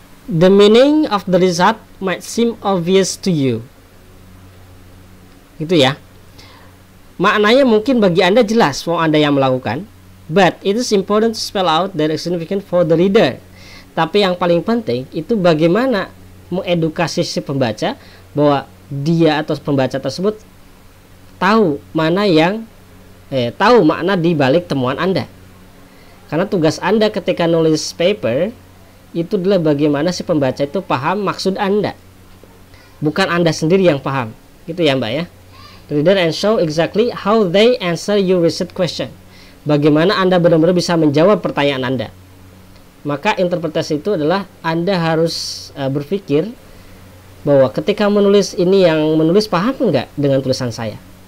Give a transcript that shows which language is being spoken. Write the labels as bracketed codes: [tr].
[en] The meaning of the result might seem obvious to you. [id] Gitu ya. Maknanya mungkin bagi Anda jelas, mau Anda yang melakukan. [en] But it is important to spell out the significance for the reader. [id] Tapi yang paling penting itu bagaimana mengedukasi si pembaca bahwa dia atau pembaca tersebut tahu mana yang tahu makna di balik temuan Anda. Karena tugas Anda ketika nulis paper itu adalah bagaimana si pembaca itu paham maksud Anda. Bukan Anda sendiri yang paham. Gitu ya, Mbak ya. [en] Reader and show exactly how they answer your research question. [id] Bagaimana Anda benar-benar bisa menjawab pertanyaan Anda. Maka interpretasi itu adalah Anda harus berpikir bahwa ketika menulis ini yang menulis paham enggak dengan tulisan saya.